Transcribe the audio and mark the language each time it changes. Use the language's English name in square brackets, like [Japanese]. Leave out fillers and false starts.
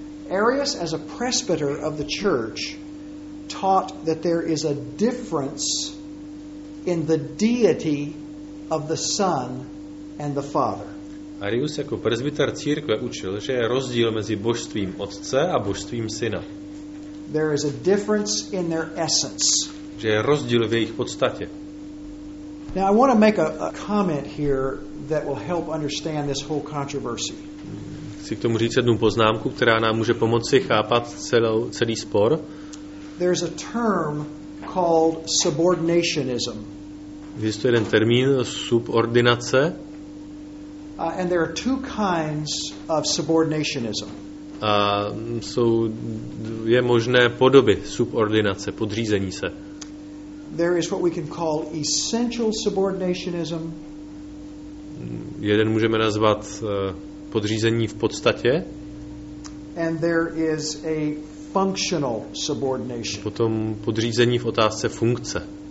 [English] Arius as a presbyter of the church taught that there is a difference in the deity of the Son and the Father. [Czech] Arius jako presbyter církve učil, že je rozdíl mezi božstvím Otce a božstvím Syna. [English] There is a difference in their essence. [Czech] Že je rozdíl v jejich podstatě. [English] Now I want to make a comment here that will help understand this whole controversy. [Czech] Chci k tomu říct jednu poznámku, která nám může pomoci chápat celý spor. [English] There's a term called subordinationism. [Czech] Existuje jeden termín subordinace. [English] And there are two kinds of subordinationism. [Czech] A jsou dvě možné podoby subordinace, podřízení se. [English] There is what we can call essential subordinationism. [Czech] Jeden můžeme nazvat podřízení v podstatě. [English] And there is a functional subordination. [Czech] Potom podřízení v otázce funkce.